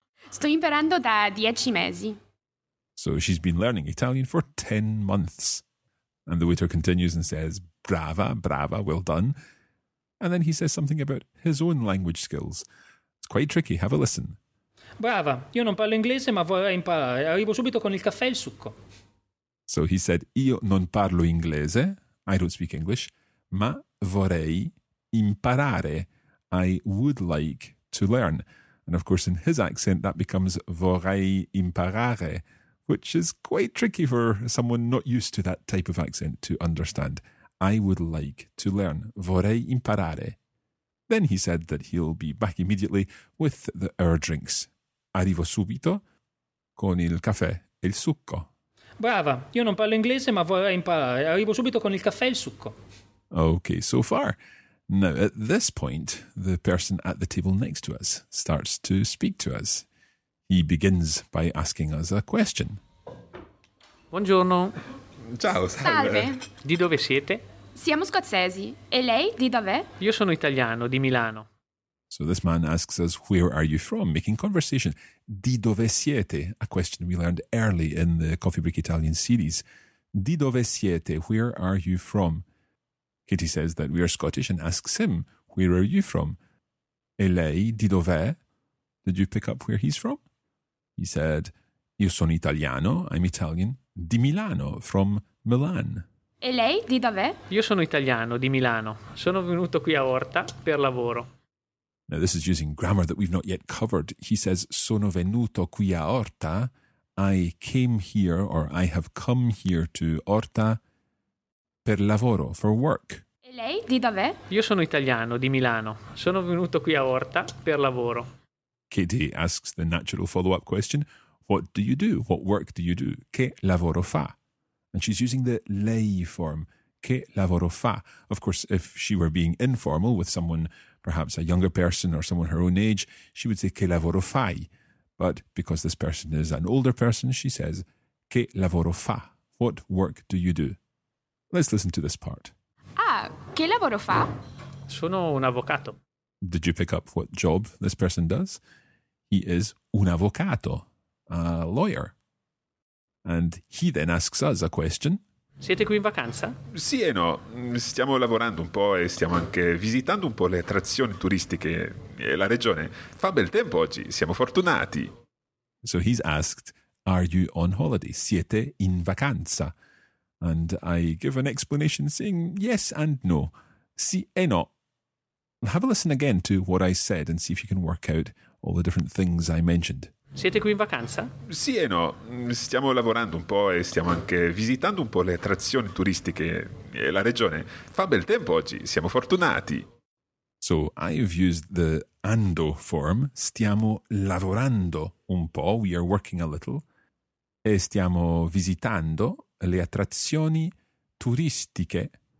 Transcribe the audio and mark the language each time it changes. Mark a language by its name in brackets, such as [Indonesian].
[Italian] Sto imperando da 10 mesi. [English] So she's been learning Italian for 10 months. And the waiter continues and says, [Italian] brava, brava, [English] well done. And then he says something about his own language skills. It's quite tricky. Have a listen. [Italian] Brava, io non parlo inglese, ma vorrei imparare. Arrivo subito con il caffè e il succo. [English] So he said, [Italian] io non parlo inglese, [English] I don't speak English, [Italian] ma vorrei imparare, [English] I would like to learn. And of course, in his accent, that becomes [Italian] vorrei imparare, [English] which is quite tricky for someone not used to that type of accent to understand. I would like to learn, [Italian] vorrei imparare. [English] Then he said that he'll be back immediately with our drinks. [Italian] Arrivo subito con il caffè e il succo. Brava, io non parlo inglese, ma vorrei imparare. Arrivo subito con il caffè e il succo. [English] Okay, so far. Now, at this point, the person at the table next to us starts to speak to us. He begins by asking us a question. [Italian] Buongiorno. Ciao, salve. Di dove siete? Siamo scozzesi. E lei, di dov'è? Io sono italiano, di Milano. [English] So this man asks us, where are you from? Making conversation. [Italian] Di dove siete? [English] A question we learned early in the Coffee Break Italian series. [Italian] Di dove siete? [English] Where are you from? Katie says that we are Scottish and asks him, where are you from? [Italian] E lei, di dov'è? [English] Did you pick up where he's from? He said, [Italian] io sono italiano, [English] I'm Italian, [Italian] di Milano, [English] from Milan. [Italian] E lei, di dov'è? Io sono italiano, di Milano. Sono venuto qui a Orta per lavoro. [English] Now this is using grammar that we've not yet covered. He says, [Italian] sono venuto qui a Orta, [English] I came here or I have come here to Orta [Italian] per lavoro, [English] for work. [Italian] E lei, di dov'è? Io sono italiano, di Milano. Sono venuto qui a Orta per lavoro. [English] Katie asks the natural follow-up question, what do you do? What work do you do? [Italian] Che lavoro fa? [English] And she's using the lei form, [Italian] che lavoro fa? [English] Of course, if she were being informal with someone, perhaps a younger person or someone her own age, she would say [Italian] che lavoro fai. [English] But because this person is an older person, she says [Italian] che lavoro fa? [English] What work do you do? Let's listen to this part. [Italian] Ah, che lavoro fa? Sono un avvocato. [English] Did you pick up what job this person does? He is [Italian] un avvocato, [English] a lawyer. And he then asks us a question. [Italian] Siete qui in vacanza? Sì e no. Stiamo lavorando un po' e stiamo anche visitando un po' le attrazioni turistiche e la regione. Fa bel tempo oggi, siamo fortunati. [English] So he's asked, are you on holiday? [Italian] Siete in vacanza? [English] And I give an explanation saying yes and no. [Italian] Sì e no. [English] Have a listen again to what I said and see if you can work out all the different things I mentioned. [Italian] Siete qui in vacanza? Sì e no. Stiamo lavorando un po' e stiamo anche visitando un po' le attrazioni turistiche e la regione. Fa bel tempo oggi, siamo fortunati. [English] So I've used the ando form. [Italian] Stiamo lavorando un po', [English] we are working a little. [Italian] E stiamo visitando le attrazioni turistiche.